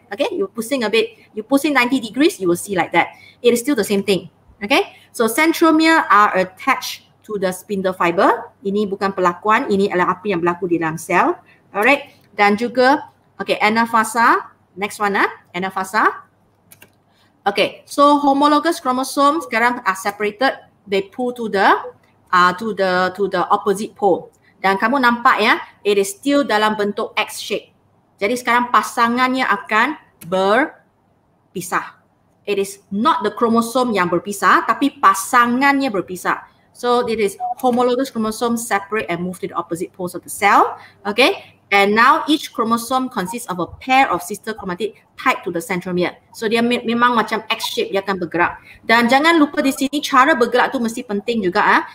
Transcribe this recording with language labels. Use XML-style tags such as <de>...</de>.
<en>Okay, you pusing a bit, you pusing 90 degrees, you will see like that. It is still the same thing. Okay, so centromere are attached to the spindle fiber.</en> <ms>Ini bukan perlakuan, ini adalah apa yang berlaku di dalam sel. Alright, dan juga okay, anafasa.</ms> <en>Next one anafasa. Okay, so homologous chromosome sekarang are separated. they pull to the to the opposite pole.</en> <ms>Dan kamu nampak ya,</ms> <en>it is still</en> <ms>dalam bentuk X shape. Jadi sekarang pasangannya akan berpisah.</ms> <en>It is not the chromosome</en> <ms>yang berpisah, tapi pasangannya berpisah.</ms> <en>So it is homologous chromosome separate and move to the opposite poles of the cell. Okay, and now each chromosome consists of a pair of sister chromatid tied to the centromere.</en> <ms>So dia memang macam X shape, dia akan bergerak. Dan jangan lupa di sini cara bergerak tu mesti penting juga.</ms>